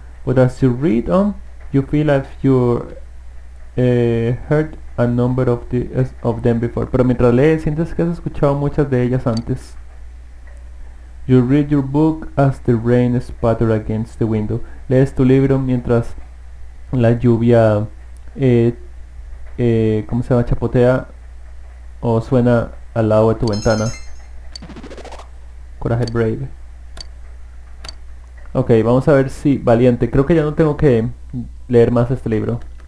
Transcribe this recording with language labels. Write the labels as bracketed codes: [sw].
[en] But as you read on, you feel as if you heard a number of them before. [es] Pero mientras lees, sientes que has escuchado muchas de ellas antes. [en] You read your book as the rain spatter against the window. [es] Lees tu libro mientras la lluvia chapotea o suena al lado de tu ventana. Coraje brave. Ok, vamos a ver si valiente. Creo que ya no tengo que leer más este libro.